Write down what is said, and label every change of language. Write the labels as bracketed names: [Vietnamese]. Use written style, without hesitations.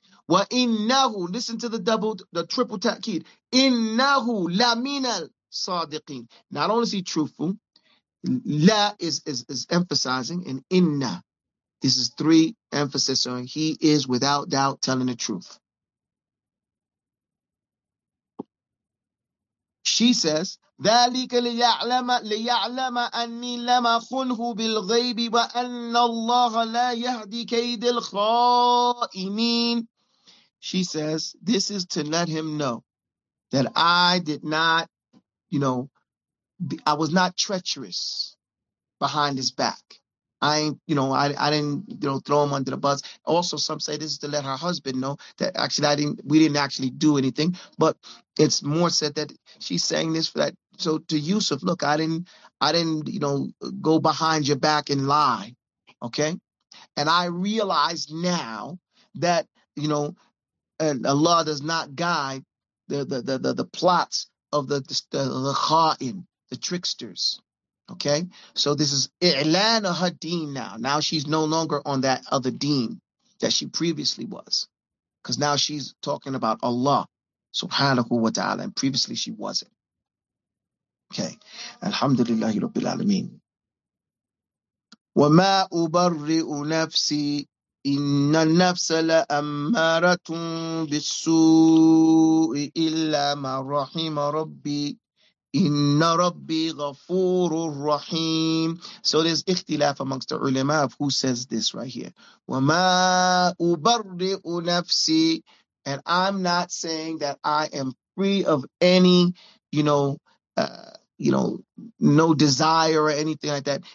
[Arabic] وَإِنَّهُ, [English] listen to the double, the triple ta'kid. [Arabic] إِنَّهُ لَمِنَ الصَّادِقِينَ. [English] Not only is he truthful, la is emphasizing, and inna. This is three emphasis on he is without doubt telling the truth. She says, [Arabic] ذَلِكَ لِيَعْلَمَ أَنِّي لَمَ خُنْهُ بِالْغَيْبِ وَأَنَّ اللَّهَ لَا يَهْدِي كَيْدِ الْخَائِنِينَ. [English] She says, this is to let him know that I did not, you know, I was not treacherous behind his back. I ain't, you know, I didn't, you know, throw him under the bus. Also, some say this is to let her husband know that actually we didn't actually do anything. But it's more said that she's saying this for that. So to Yusuf, look, I didn't, you know, go behind your back and lie. Okay. And I realize now that, you know, and Allah does not guide the plots of the kha'in, the tricksters. Okay? So this is i'lan of her deen now. Now she's no longer on that other deen that she previously was. Because now she's talking about Allah subhanahu wa ta'ala, and previously she wasn't. Okay. Alhamdulillahi rabbil alameen. [Arabic] وَمَا أُبَرِّئُ نَفْسِي إن النفس لأمارة بالسوء إلا ما رحم ربي إن ربي غفور رحيم. [English] So there's اختلاف amongst the ulama of who says this right here. [Arabic] وما أبرئ نفسي. [English] And I'm not saying that I am free of any, you know, no desire or anything like that.